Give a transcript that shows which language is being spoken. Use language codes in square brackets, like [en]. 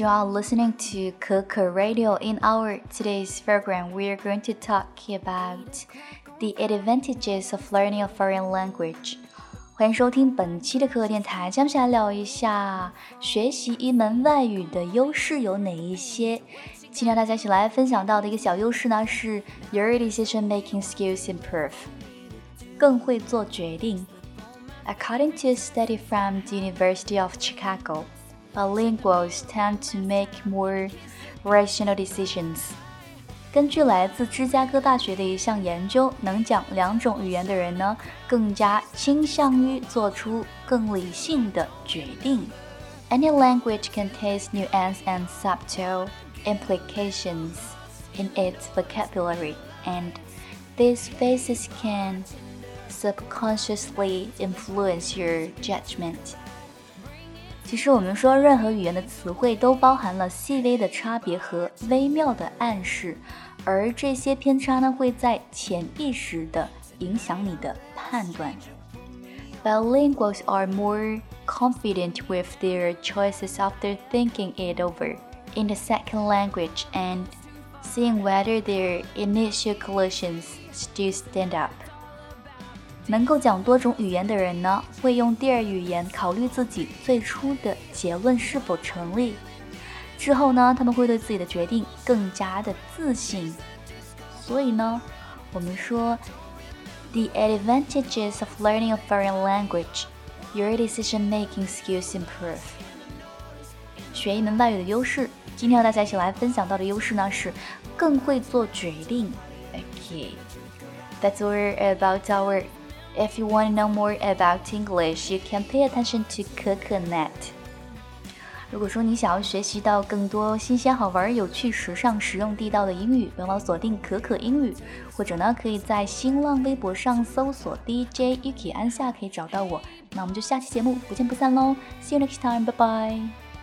[en] You are listening to Keke Radio. In our today's program, we are going to talk about the advantages of learning a foreign language. [zh] 欢迎收听本期的可可电台，接下来聊一下学习一门外语的优势有哪一些。今天大家一起来分享到的一个小优势呢，是 [en] your decision making skills improve， [zh] 更会做决定。 [en] According to a study from the University of Chicago, bilinguals tend to make more rational decisions. [zh] 根据来自芝加哥大学的一项研究，能讲两种语言的人呢，更加倾向于做出更理性的决定。 [en] Any language contains nuance and subtle implications in its vocabulary, and these phases can... subconsciously influence your judgment. [zh] 其实我们说任何语言的词汇都包含了细微的差别和微妙的暗示，而这些偏差呢会在潜意识的影响你的判断。 [en] Bilinguals are more confident with their choices after thinking it over in the second language and seeing whether their initial conclusions still stand up. [zh] 能够讲多种语言的人呢，会用第二语言考虑自己最初的结论是否成立。之后呢，他们会对自己的决定更加的自信。所以呢，我们说 [en] The advantages of learning a foreign language, your decision making skills improve. [zh] 学一门外语的优势，今天和大家一起来分享到的优势呢，是更会做决定。 [en] Okay, that's all about ourIf you want to know more about English, you can pay attention to Coconut. [zh] 如果说你想要学习到更多新鲜、好玩、有趣、时尚、实用、地道的英语，别忘了锁定可可英语，或者呢，可以在新浪微博上搜索 DJ Yuki 安夏，可以找到我。那我们就下期节目不见不散喽 ！ [en] See you next time, bye bye.